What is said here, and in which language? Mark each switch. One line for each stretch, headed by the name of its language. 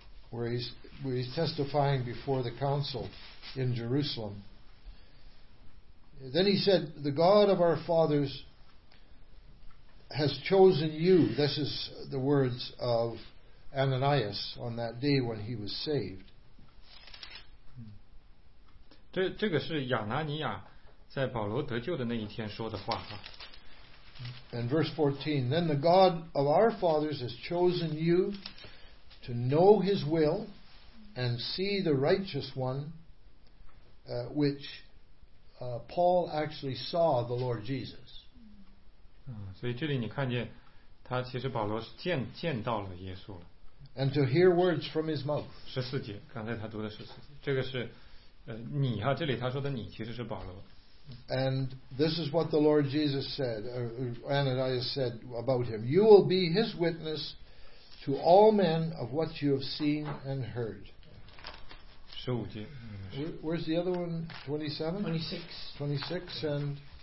English: Where he's testifying before the council in Jerusalem. Then he said, the God of our fathers has chosen you. This is the words of Ananias on that day when he was saved.
Chinese: 这个是亚拿尼亚在保罗得救的那一天说的话。
English: And verse 14, then the God of our fathers has chosen you to know his will and see the righteous one, which Paul actually saw the Lord Jesus.
Chinese: 所以这里你看见他其实保罗是见到了耶稣了。
English: And to hear words from his mouth.
Chinese: 14节，刚才他读的14节，这个是你哈，这里他说的你其实是保罗。
English: And this is what the Lord Jesus said, Ananias said about him. You will be his witness to all men of what you have seen and heard.
Chinese: 15节。
English: Where's the other one? 27? 26. 26 and.